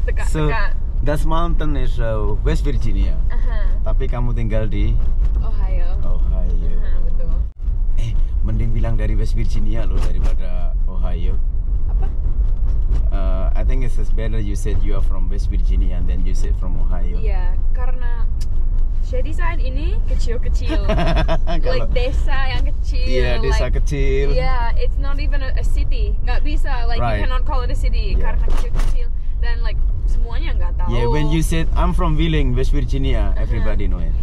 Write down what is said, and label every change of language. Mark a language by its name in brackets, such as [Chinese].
[English] So that mountain is West Virginia. Uh-huh. [Indonesian] Tapi kamu tinggal di [English] Ohio. Ohio. [Indonesian] Uh-huh, betul. Eh, mending bilang dari West Virginia loh daripada Ohio. [English] I think it's better you said you are from West Virginia and then you said from Ohio. [Indonesian] Iya, karena shady side ini kecil-kecil. Like desa yang kecil. Iya, [English] yeah, [Indonesian] desa [English] like, [Indonesian] kecil. [English] Iya, yeah, it's not even a city. [Indonesian] Gak bisa, [English] like right, you cannot call it a city, yeah, [Indonesian] karena kecil-kecil. Dan like semuanya gak tahu. [English] Yeah, when you said I'm from Wheeling, West Virginia, everybody know it.